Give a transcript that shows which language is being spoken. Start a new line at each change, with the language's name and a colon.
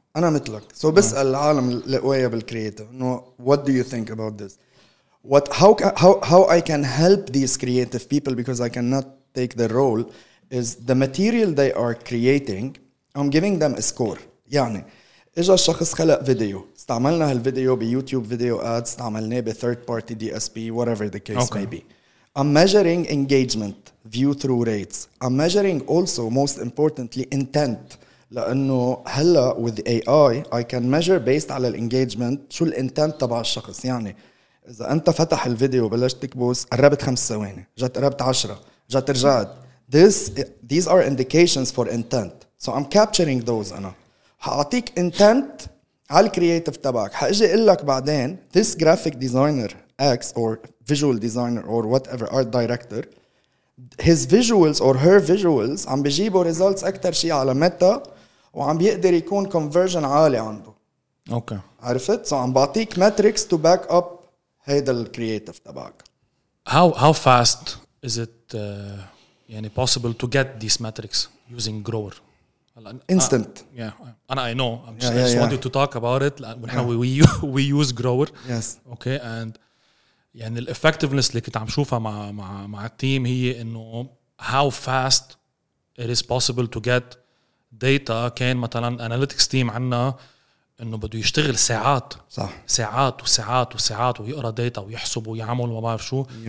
English: انا مثلك سو بسال العالم لقوايا بالcreative انه what do you think about this what how I can help these creative people because I cannot take the role is the material they are creating, I'm giving them a score.
Arabic: يعني, إجا الشخص خلق فيديو, استعملنا هالفيديو بيوتيوب فيديو اد, استعملناه بثيرد بارتي دي اس بي, whatever the case okay. may be.
English: I'm measuring engagement, view-through rates. I'm measuring also, most importantly, intent. لأنه هلا with AI, I can measure based على الengagement, شو الintent تبع الشخص.
Arabic: يعني, إذا أنت فتح الفيديو بلشت تكبوس, قربت 5 ثواني, جات قربت 10, جات رجعت, These are indications for intent.
English: So I'm capturing those.
Arabic: أنا هعطيك intent على الكرياتيف تبعك. هاجي أقول لك بعدين this graphic designer
English: X or visual designer or whatever, art director, his visuals or her visuals عم بيجيبوا results أكتر شيء على متى وعم بيقدر يكون conversion عالي عنده. Okay. عرفت؟ So عم بعطيك metrics to back up هيدا الcreative تبعك. How fast is it يعني possible to get these metrics using Grower? Instant. Yeah. And I know. I just want you to talk about it. We use Grower. Yes. Okay.
Arabic: And يعني the effectiveness اللي كنت عم شوفها مع مع مع التيم هي إنه how fast it is possible to get data. كان مثلاً analytics team عنا إنه بدو يشتغل ساعات. صح. ساعات وساعات وساعات ويقرأ data ويحسب ويعمل وما بعرف شو.